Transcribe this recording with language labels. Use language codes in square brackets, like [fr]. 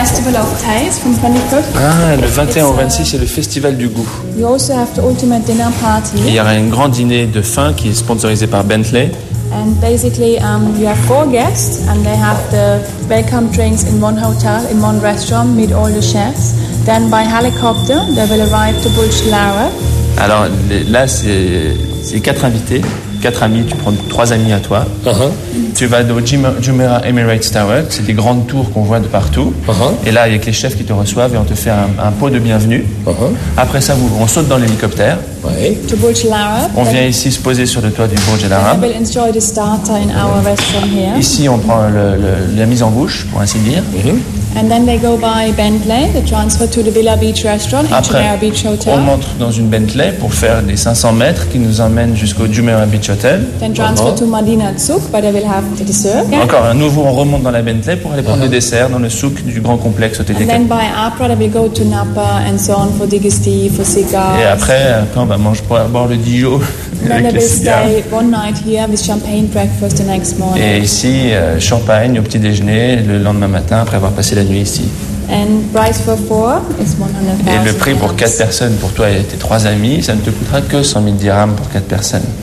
[fr] Ah, le 21 au 26, c'est le festival du goût. [en] You also have the ultimate dinner party. [fr] Il y aura un grand dîner de fin qui est sponsorisé par Bentley. [en] And basically, you have four guests, and they have the welcome drinks in one hotel, in one restaurant, meet all the chefs. Then by helicopter, they will arrive to Burj Lara. [fr] Alors là, c'est quatre invités, quatre amis. Tu prends trois amis à toi. Tu vas au Jumeirah Emirates Tower. C'est des grandes tours qu'on voit de partout. Et là, il y a que les chefs qui te reçoivent et on te fait un pot de bienvenue. Après ça, on saute dans l'hélicoptère. [en] To Burj Al Arab. [fr] On vient ici se poser sur le toit du Burj Al Arab. [en] We'll enjoy the starter in our restaurant here. [fr] Ici, on prend la mise en bouche, pour ainsi dire. [en] And then they go by Bentley, the transfer to the Villa Beach restaurant, [fr] après, [en] Jumeirah Beach Hotel. [fr] On monte dans une Bentley pour faire les 500 mètres qui nous emmènent jusqu'au Jumeirah Beach Hotel. [en] Then transfer to Madina Souk, where they will have the dessert. Okay. [fr] Encore un nouveau, on remonte dans la Bentley pour aller prendre le dessert dans le souk du grand complexe hôtelier. [en] And then by Apra, they will go to Napa and so on for digestif, for cigars. [fr] Et après, quand on va manger pour boire le Dijon. Et ici, champagne au petit déjeuner le lendemain matin après avoir passé la nuit ici. [en] And price for four is 100,000. [fr] Et le prix pour 4 personnes, pour toi et tes 3 amis, ça ne te coûtera que 100,000 dirhams pour 4 personnes.